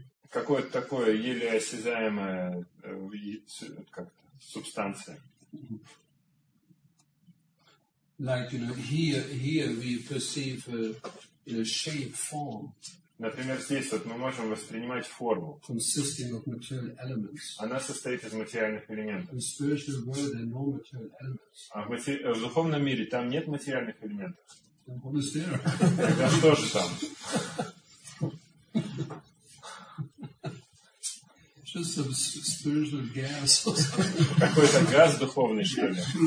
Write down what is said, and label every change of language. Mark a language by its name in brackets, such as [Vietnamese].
[Russian] Какое-то такое еле осязаемое как-то, субстанция. [English] Like, you know, here we perceive a shape form. [Russian] Например, здесь вот мы можем воспринимать форму. [English] Consisting of material elements. [Russian] Она состоит из материальных элементов. [English] In spiritual world, there are no material elements. [Russian] А в духовном мире там нет материальных элементов. [English] What is there? [Russian] Да что же там? [English] Just some spiritual gas. [Russian] Какой-то газ духовный, что ли?